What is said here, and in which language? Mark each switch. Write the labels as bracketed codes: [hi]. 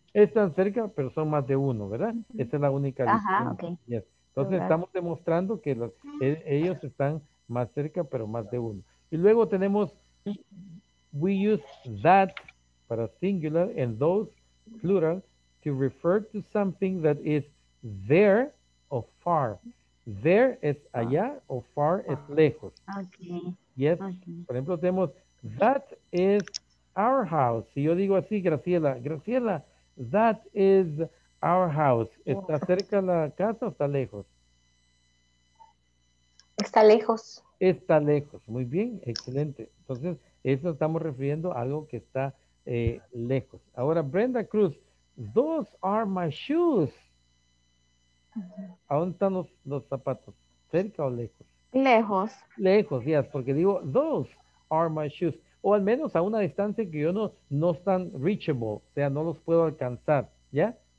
[es] Están cerca, pero son más de uno, ¿verdad? Uh-huh. Esa es la única diferencia. Ajá, ok. Yes. Entonces, estamos demostrando que ellos están más cerca, pero más de uno. Y luego tenemos, [en] we use that para singular and those plural to refer to something that is there or far. [es] There es allá o far es lejos. [en] Okay. Yes. Okay. [es] Por ejemplo, tenemos, [en] that is our house. [es] Si yo digo así, Graciela, Graciela, [en] that is our house. [es] ¿Está cerca la casa o está lejos? Está lejos. Está lejos. Muy bien, excelente. Entonces, eso estamos refiriendo a algo que está lejos. [en] Ahora, Brenda Cruz, those are my shoes. [es] ¿A dónde están los zapatos? ¿Cerca o lejos? Lejos. Lejos, ya, yes, porque digo, [en] those are my shoes. [es] O al menos a una distancia que yo no están reachable, o sea, no los puedo alcanzar, ¿ya?